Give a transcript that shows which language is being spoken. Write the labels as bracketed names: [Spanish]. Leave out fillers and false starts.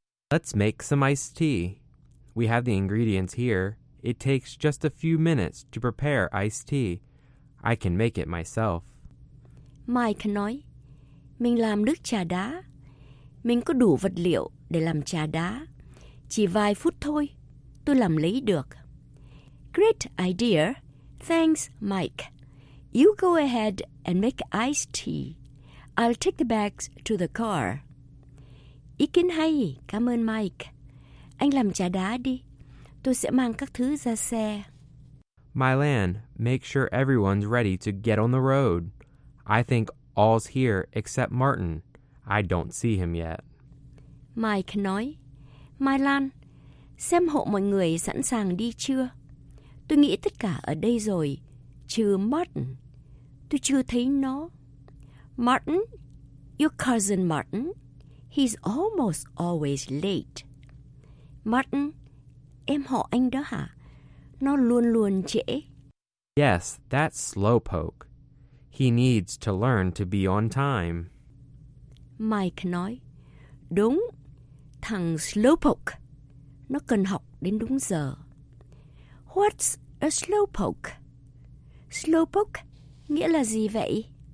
[English] Let's make some iced tea. We have the ingredients here. It takes just a few minutes to prepare iced tea. I can make it myself. [Vietnamese] Mike nói, mình làm nước trà đá. Mình có đủ vật liệu để làm trà đá. Chỉ vài phút thôi, tôi làm lấy được. [English] Great idea. Thanks, Mike. You go ahead and make iced tea. I'll take the bags to the car. [Vietnamese] Ý kiến hay, cảm ơn Mike. Anh làm trà đá đi. Tôi sẽ mang các thứ ra xe. [English] My Lan, make sure everyone's ready to get on the road. I think all's here except Martin. I don't see him yet. [Vietnamese] Mike nói, My Lan, xem hộ mọi người sẵn sàng đi chưa? Tôi nghĩ tất cả ở đây rồi, trừ Martin. Tôi chưa thấy nó. [English] Martin, your cousin Martin, he's almost always late. [Vietnamese] Martin, em họ anh đó hả? Nó luôn luôn trễ. [English] Yes, that's Slowpoke. He needs to learn to be on time. [Vietnamese] Mike nói, đúng, thằng Slowpoke. Nó cần học đến đúng giờ. [English] What's a Slowpoke? [Vietnamese] Slowpoke nghĩa là gì vậy?